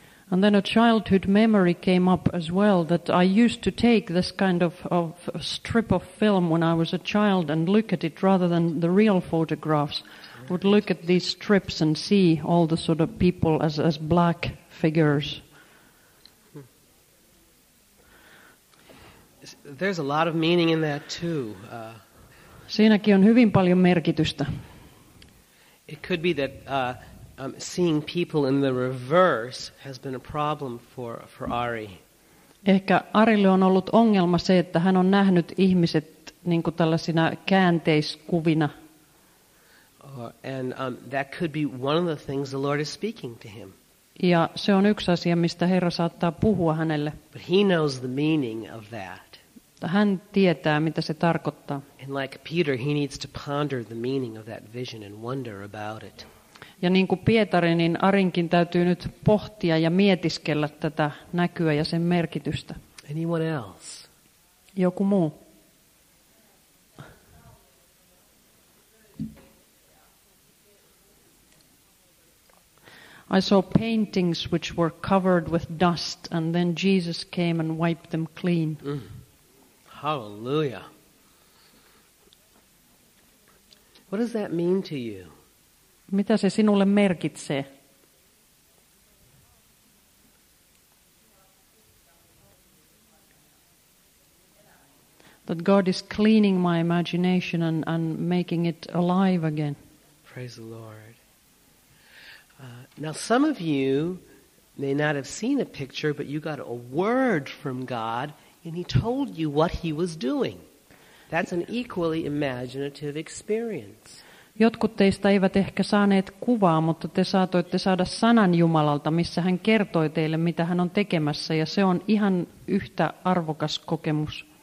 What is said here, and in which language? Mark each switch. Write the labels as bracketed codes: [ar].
[en] And then a childhood memory came up as well, that I used to take this kind of strip of film when I was a child and look at it rather than the real photographs. Right. Would look at these strips and see all the sort of people as black figures. There's a lot of meaning in that too. [fi] Siinäkin on hyvin paljon merkitystä. [en] It could be that seeing people in the reverse has been a problem for Ari. [fi] Ehkä Arille on ollut ongelma se, että hän on nähnyt ihmiset niinku tällaisina käänteiskuvina. [en] And that could be one of the things the Lord is speaking to him. [fi] Ja se on yksi asia, mistä Herra saattaa puhua hänelle. [en] But he knows the meaning of that. [fi] Hän tietää, mitä se tarkoittaa. [en] And like Peter, he needs to ponder the meaning of that vision and wonder about it. [fi] Ja niin kuin Pietari, niin Arinkin täytyy nyt pohtia ja mietiskellä tätä näkyä ja sen merkitystä. [en] Anyone else? [fi] Joku muu. [en] I saw paintings which were covered with dust, and then Jesus came and wiped them clean. Mm. Hallelujah. What does that mean to you? [fi] Mitä se sinulle merkitsee? [en] That God is cleaning my imagination and making it alive again. Praise the Lord. Now some of you may not have seen a picture, but you got a word from God and he told you what he was doing. That's an equally imaginative experience. [fi] Jotkut teistä eivät ehkä saaneet kuvaa, mutta te saatoitte saada sanan Jumalalta, missä hän kertoi teille, mitä hän on tekemässä, ja se on ihan yhtä arvokas kokemus.